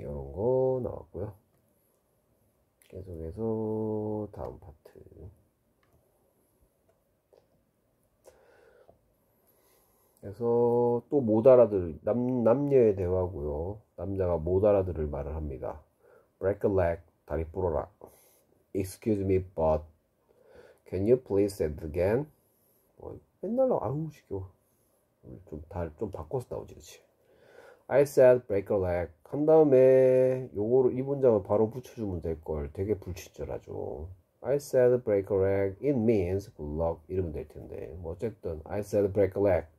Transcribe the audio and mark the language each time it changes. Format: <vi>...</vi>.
<ko>이런 거 나왔고요. 계속해서 다음 파트. 그래서 또못 알아들 남녀의 대화고요. 남자가 못 알아들을 말을 합니다.</ko> <en>Break a leg,</en> <ko>다리 부러라.</ko> <en>Excuse me, but can you please say it again?</en> <ko>뭐, 맨날 아우 시켜. 좀달좀 바꿔서 나오지 그치.</ko> <en>I said break a leg.</en> <ko>한 다음에 요거를 이 문장을 바로 붙여주면 될걸 되게 불친절하죠.</ko> <en>I said break a leg. It means good luck</en> <ko>이러면 될 텐데. 뭐 어쨌든</ko> <en>I said break a leg.</en>